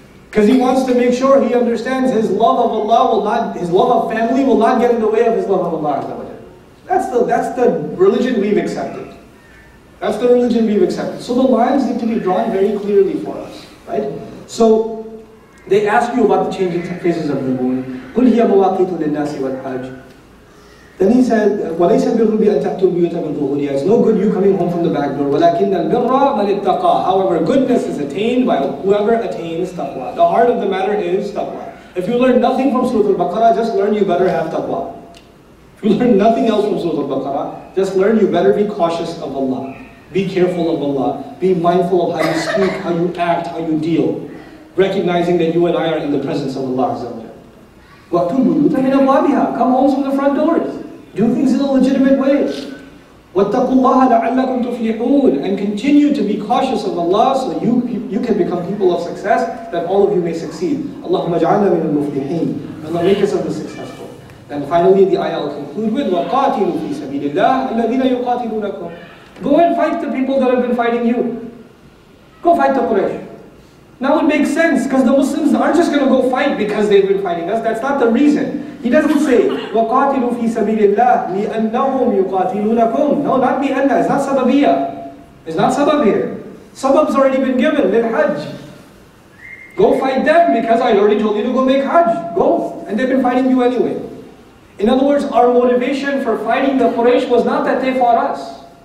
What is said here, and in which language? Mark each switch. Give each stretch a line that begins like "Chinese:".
English: Because he wants to make sure he understands his love of Allah will not, his love of family will not get in the way of his love of Allah. That's the religion we've accepted. That's the religion we've accepted. So the lines need to be drawn very clearly for us, right? So they ask you about the changing phases of the moon.
Arabic: قُلْ هِيَ مُوَاقِتُ لِلنَّاسِ وَالْحَجِ.
English: Then he said,
Arabic: وَلَيْسَ بِرُّ بِأَنْتَكْتُ بِيُوتَ مِنْ ظُهُورِيَا.
English: It's no good you coming home from the back door.
Arabic: وَلَكِنَّ الْبِرَّ مَنِ اتَّقَى.
English: However, goodness is attained by whoever attains taqwa. The heart of the matter is taqwa. If you learn nothing from Surah Al-Baqarah, just learn you better have taqwa. If you learn nothing else from Surah Al-Baqarah, just learn you better be cautious of Allah. Be careful of Allah. Be mindful of how you speak, how you act, how you deal. Recognizing that you and I are in the presence of Allah.
Arabic: وَأْتُوا بُيُوتَ مِنْ أَبْوَابِهَا.
English: Come home from the front doors. Do things in a legitimate way.
Arabic: وَاتَّقُوا اللَّهَ لَعَلَّكُمْ تُفْلِحُونَ.
English: And continue to be cautious of Allah so you can become people of success, that all of you may succeed.
Arabic: اللَّهُمَّ اجْعَلْنَا مِنَ الْمُفْلِحِينَ.
English: Allah make us of the successful. And finally the ayah will conclude with
Arabic: وَقَاتِلُوا فِي سَبِيلِ اللَّهِ الَّذِينَ يُقَاتِلُونَكُمْ.
English: Go and fight the people that have been fighting you. Go fight the Quraysh. Now it makes sense, because the Muslims aren't just going to go fight because they've been fighting us. That's not the reason. He doesn't say,
Arabic: وَقَاتِلُوا فِي سَبِيلِ اللَّهِ لِأَنَّهُمْ يُقَاتِلُونَكُمْ.
English: No, not لِأَنَّهُ. It's not سَبَبِيَّة. It's not سَبَبْ here. سَبَبْ's already been given, لِلْحَجِ. Go fight them, because I already told you to go make Hajj. Go. And they've been fighting you anyway. In other words, our motivation for fighting the Quraysh was not that they fought us.